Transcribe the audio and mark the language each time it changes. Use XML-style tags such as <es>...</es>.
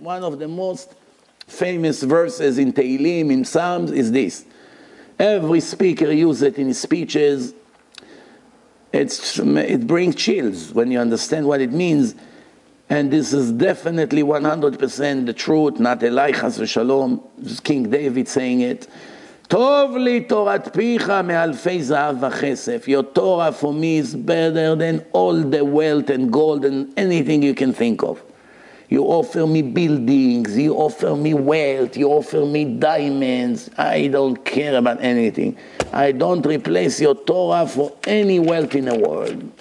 <en>One of the most famous verses in Tehillim, in Psalms, is this. Every speaker uses it in his speeches. It brings chills when you understand what it means. And this is definitely 100% the truth, not Eli Chas v'Shalom, King David saying it.</en> <he>טוב לי תורת פיך מאלפי זהב וחסף.</he> <en>Your Torah for me is better than all the wealth and gold and anything you can think of. You offer me buildings, you offer me wealth, you offer me diamonds. I don't care about anything. I don't replace your Torah for any wealth in the world.</en>